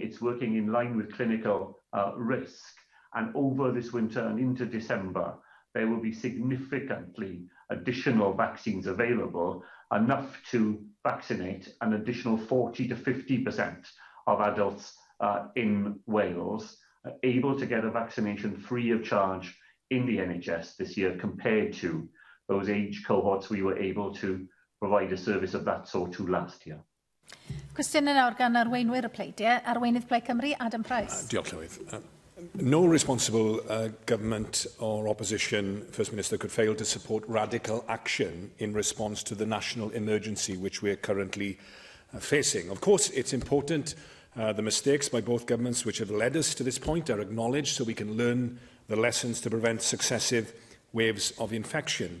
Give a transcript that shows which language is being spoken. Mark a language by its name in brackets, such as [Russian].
[English] It's working in line with clinical risk. And over this winter and into December, there will be significantly additional vaccines available, enough to vaccinate an additional 40-50% of adults in Wales, able to get a vaccination free of charge in the NHS this year compared to those age cohorts we were able to provide a service of that sort to last year. [Welsh] Cwestiynau nawr gan arweinwyr y pleidiau, arweinydd Plaid Cymru, Adam Price. Diolch, Llywydd. [English] No responsible government or opposition First Minister could fail to support radical action in response to the national emergency which we are currently facing. Of course, it's important the mistakes by both governments which have led us to this point are acknowledged so we can learn the lessons to prevent successive waves of infection.